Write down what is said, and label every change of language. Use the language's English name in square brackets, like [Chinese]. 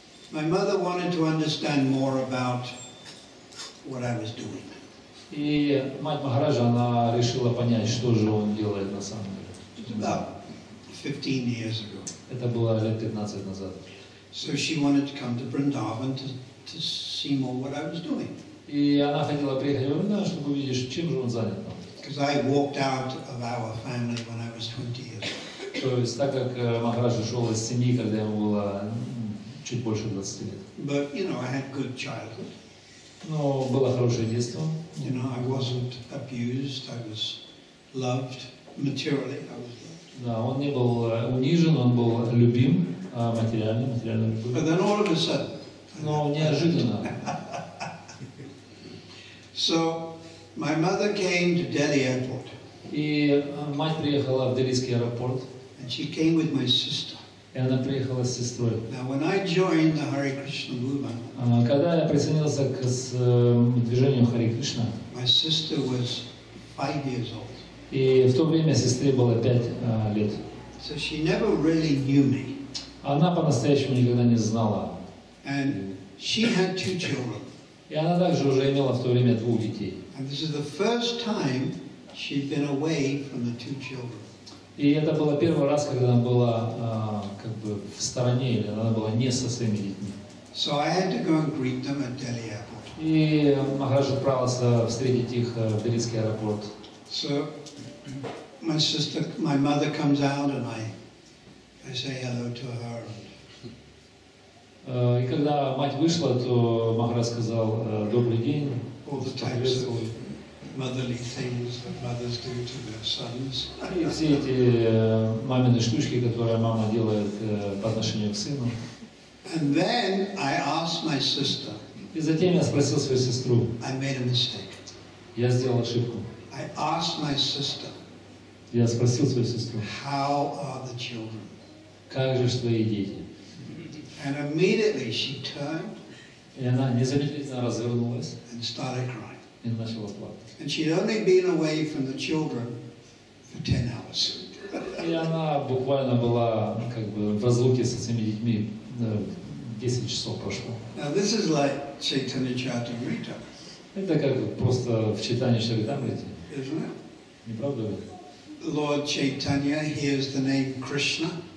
[English] My mother wanted to understand more about what I was doing. [Russian] И мать Махараджа, она решила понять, что же он делает на самом деле. [English] About 15 years ago. [Russian] Это было лет 15 назад. [English] So she wanted to come to Vrindavan to see more what I was doing. [Russian] И она хотела приехать в Вриндаван, чтобы увидеть, чем же он занят там. [English] Because I walked out of our family when I was 20 years old. [Russian] То есть, так как Махараджа ушел из семьи, когда ему было чуть больше 20 лет. [English] But, you know, I had good childhood. [Russian] Но было хорошее детство. [English] You know, I wasn't abused, I was loved materially, I was loved. [Russian] Да, он не был унижен, он был любим материально любовью. [English] But then all of a sudden. [Russian] Но неожиданно. [English] So, my mother came to Delhi airport. [Russian] И мать приехала в Делийский аэропорт. [English] And she came with my sister. [Russian] И она приехала с сестрой. [English] Now, when I joined the Hare Krishna movement. [Russian] Когда я присоединился к движению Hare Krishna. [English] My sister was 5 years old. [Russian] И в то время сестре было 5 лет. [English] So she never really knew me. [Russian] Она по-настоящему никогда не знала. [English] And she had 2 children. [Russian] И она также уже имела в то время 2 детей. [English] And this is the first time she'd been away from the 2 children. [Russian] И это было первый раз, когда она была как бы в стороне, или она была не со своими детьми. [English] So I had to go and greet them at Delhi airport. [Russian] И Махараджа отправился встретить их в Делийский аэропорт. [English] So my sister, my mother comes out and I say hello to her. [Russian] И когда мать вышла, то Махара сказал добрый день. [English] All the types of motherly things that mothers do to their sons. [Russian] И все эти мамины штучки, которые мама делает по отношению к сыну. [English] And then I asked my sister. [Russian] И затем я спросил свою сестру. [English] I made a mistake. [Russian] Я сделал ошибку. [English] I asked my sister. [Russian] Я спросил свою сестру. [English] How are the children? [Russian] Как же твои дети? [English] And immediately she turned. [Russian] И она незамедлительно развернулась. [English] And started crying. [Russian] И начала плакать. [English] And she'd only been away from the children for 10 hours. [Russian] И она буквально была как бы в разлуке со своими детьми 10 часов прошло. [English] Now this is like Chaitanya Charitamrita. [Russian] Это как бы просто в читании Чаритамриты. [English] Isn't it? [Russian] Не правда ли? [English] Lord Chaitanya hears the name Krishna.